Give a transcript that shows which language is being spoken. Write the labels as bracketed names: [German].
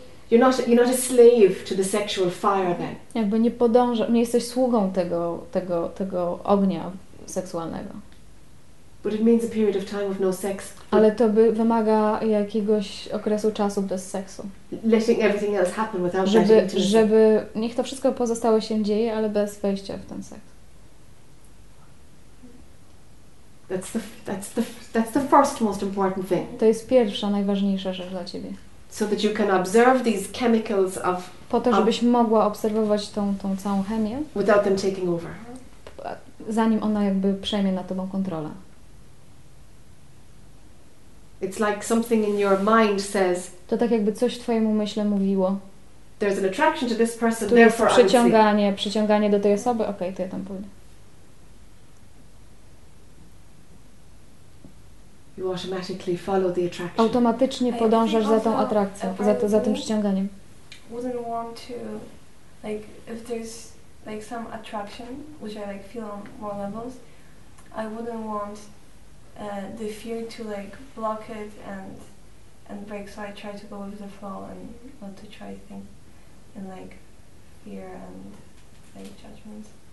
[English] You're not a slave to the sexual fire then. [Polish] Jakby nie podążasz, nie jesteś sługą tego ognia. Seksualnego. [English] But it means a period of time with no sex. [Polish] Ale to wymaga jakiegoś okresu czasu bez seksu. [English] Letting everything else happen without intimacy. [Polish] Żeby niech to wszystko pozostałe się dzieje, ale bez wejścia w ten seks. [English] That's the first most important thing. [Polish] To jest pierwsza najważniejsza rzecz dla ciebie. [English] So that you can observe these chemicals of. [Polish] Po to, żebyś mogła obserwować tą całą chemię. [English] Without them taking over. [Polish] Zanim ona jakby przejmie na tobą kontrolę. [English] It's like something in your mind says. [Polish] To tak jakby coś w twoim umyśle mówiło. [English] There's an attraction to this person, therefore I'll see. [Polish] Przyciąganie do tej osoby. Okej, to ja tam pójdę. [English] You automatically follow the attraction. [Polish] Automatycznie podążasz za tą atrakcją, za tym przyciąganiem. [English] Wouldn't want to, like, if there's like some attraction, which I like feel on more levels, I wouldn't want the fear to like block it and break, so I try to go with the flow and not to try things in like fear and like judgment.